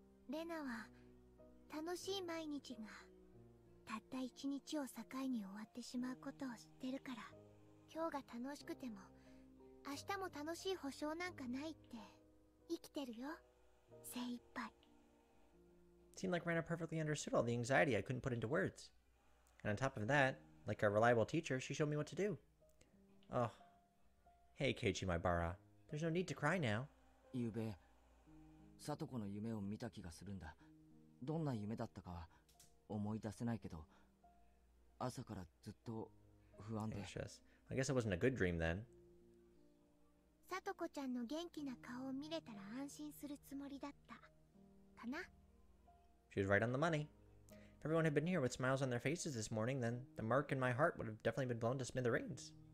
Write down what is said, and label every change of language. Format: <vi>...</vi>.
<ja>レナは楽しい毎日が たった1日を境に終わってしまうことを知ってるから、今日が楽しくても明日も楽しい保証なんかないって生きてるよ、精一杯。</ja> <en>Seemed like Rena perfectly understood all the anxiety I couldn't put into words. And on top of that, like a reliable teacher, she showed me what to do. Oh. Hey, Keiichi Maibara. There's no need to cry now.</en> <ja>ゆうべ さとこの夢を見た気がするんだ。どんな夢だったかは思い出せないけど</ja> <en>I guess it wasn't a good dream then. She was right on the money. If everyone had been here with smiles on their faces this morning, then the mark in my heart would have definitely been blown to smithereens.</en>